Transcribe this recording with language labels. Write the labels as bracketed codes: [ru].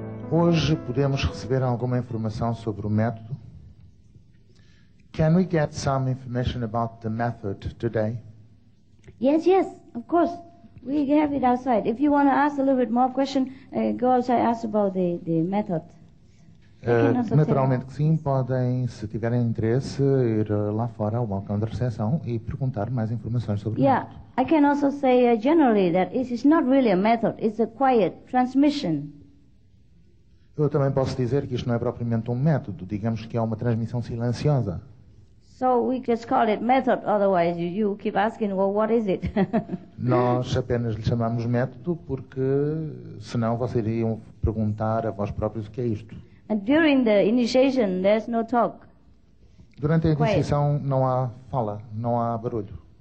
[pt] Hoje podemos receber alguma informação sobre o método? [en] Can we get some information about the method today? Yes, yes, of course. We have it outside. If you want to ask a little bit more question, go outside, ask about the method. [pt] Naturalmente que sim, podem, se tiverem interesse, ir lá fora ao balcão da recepção e perguntar mais informações sobre o método. [en] I can also say generally that it is not really a method, it's a quiet transmission. [pt] Eu também posso dizer que isto não é propriamente método, digamos que é uma transmissão silenciosa. [en] So we just call it method, otherwise you keep asking, well, what is it? [pt] Nós apenas lhe chamamos método porque senão vocês iriam perguntar a vós próprios o que é isto. [en] And during the initiation, there's no talk. [pt] Durante a iniciação não há fala, não há barulho.